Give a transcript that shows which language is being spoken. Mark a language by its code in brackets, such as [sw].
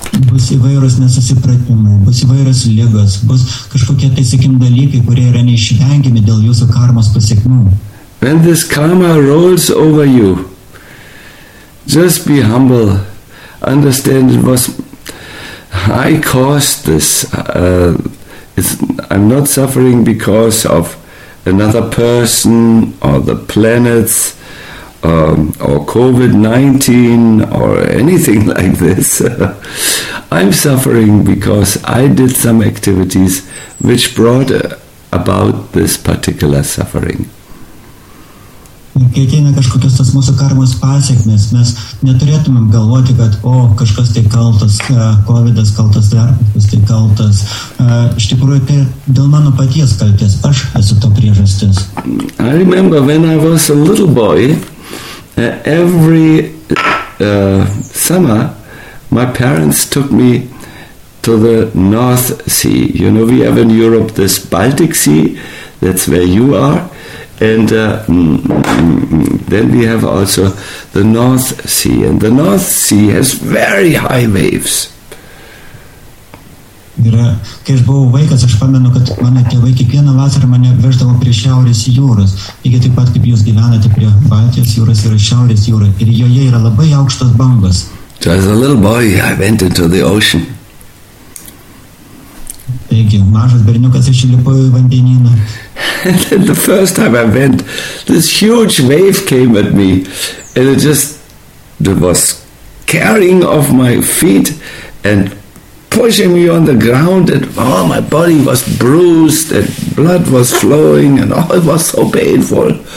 [lt] Bus įvairios nesusipratimai, bus įvairios ligos, bus kažkokie teisikim dalykai, kurie yra neišvengiami dėl jūsų karmos pasiekmių. [en] When this karma rolls over you, just be humble, understand it was, I caused this, I'm not suffering because of another person, or the planets, or COVID-19, or anything like this. I'm suffering because I did some activities which brought about this particular suffering. [lt] Kai ateina kažkokios tas mūsų karmos pasiekmės, mes neturėtumėm galvoti, kad o, kažkas tai kaltas, COVID-as kaltas, dar kas tai kaltas. Iš tikrųjų, tai dėl mano paties kaltės, aš esu to priežastis. [en] I remember when I was a little boy, every summer, my parents took me to the North Sea. You know, we have in Europe this Baltic Sea, that's where you are. And then we have also the North Sea, and the North Sea has very high waves. [lt] Yra, kai aš buvau vaikas, aš pamenu, kad mano tėvai kiekvieną vasarą mane veždavo prie Šiaurės jūros. Lygiai taip pat, kaip jūs gyvenate prie Baltijos jūros ir Šiaurės jūros. Ir joje yra labai aukštos bangos. [en] So as a little boy, I went into the ocean. [lt] Taigi, mažas berniukas, aš įlipau į vandenyną. [en] And then the first time I went, this huge wave came at me, and it just was carrying off my feet and pushing me on the ground, and all my body was bruised, and blood was flowing, and all, it was so painful.